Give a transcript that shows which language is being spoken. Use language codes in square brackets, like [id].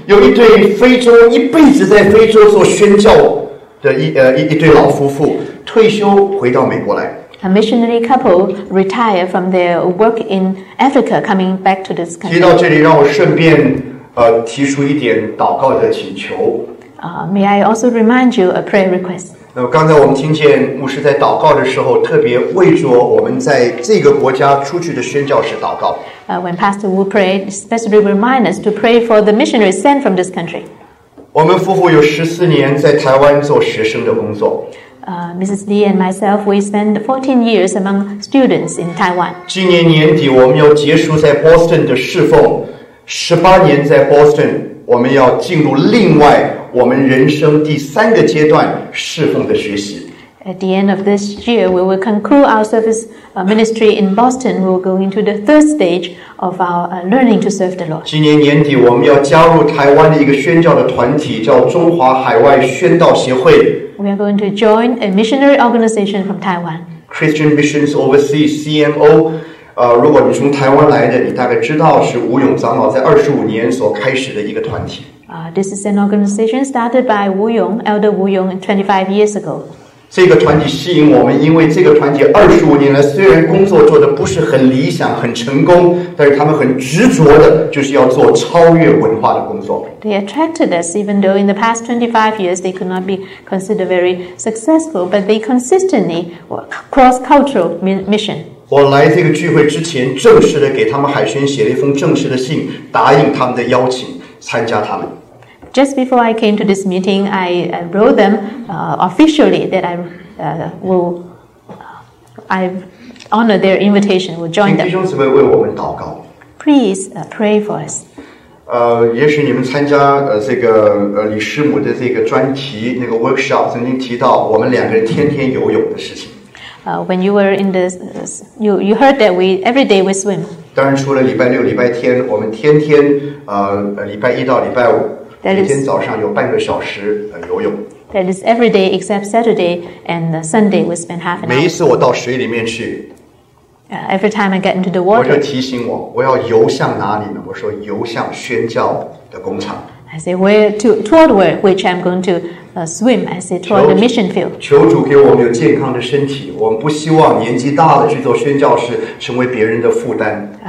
[zh] 有一对非洲一辈子在非洲做宣教的一对老夫妇，退休回到美国来。 [en] A missionary couple retired from their work in Africa, coming back to this country. [zh] 提到这里，让我顺便提出一点祷告的请求。 [en] May I also remind you a prayer request? [zh] 刚才我们听见牧师在祷告的时候，特别为着我们在这个国家出去的宣教士祷告。 [en] When Pastor Wu prayed, specifically remind us to pray for the missionaries sent from this country. [zh] 我们夫妇有14年在台湾做学生的工作。 [en] Mrs. Lee and myself, we spent 14 years among students in Taiwan. [zh] 今年年底我们要结束在 Boston 的侍奉，18年在 Boston， 我们要进入另外。我们人生第三个阶段侍奉的学习。 [en] At the end of this year, we will conclude our service ministry in Boston. We will go into the third stage of our learning to serve the Lord. [zh] 今年年底，我们要加入台湾的一个宣教的团体，叫中华海外宣道协会。 [en] We are going to join a missionary organization from Taiwan. Christian Missions Overseas, CMO. [zh] 如果你从台湾来的，你大概知道是吴勇长老在25年所开始的一个团体。 [en] This is an organization started by Wu Yong, Elder Wu Yong, 25 years ago. [zh] 这个团体吸引我们，因为这个团体25年来虽然工作做的不是很理想、很成功，但是他们很执着的，就是要做超越文化的工作。 [en] They attracted us, even though in the past 25 years they could not be considered very successful, but they consistently cross-cultural mission. [zh] 我来这个聚会之前，正式的给他们海轩写了一封正式的信，答应他们的邀请，参加他们。 [en] Just before I came to this meeting, I wrote them officially that I honor their invitation, will join them. [zh] 请弟兄姊妹为我们祷告。 [en] Please pray for us. [zh] 也许你们参加这个李师母的这个专题那个 workshop 曾经提到我们两个人天天游泳的事情。 [en] When you were in the, you heard that every day we swim. [zh] 当然，除了礼拜六、礼拜天，我们天天礼拜一到礼拜五，每天早上有半个小时游泳。 [en] That is every day except Saturday and Sunday we spend half an hour. [zh] 每一次我到水里面去 [en] ，every time I get into the water, [zh] 我就提醒我要游向哪里呢？我说游向宣教的工厂。 [en] I say toward which I'm going to swim. I say toward the mission field. [zh] 求主给我们有健康的身体。我们不希望年纪大了去做宣教士，成为别人的负担。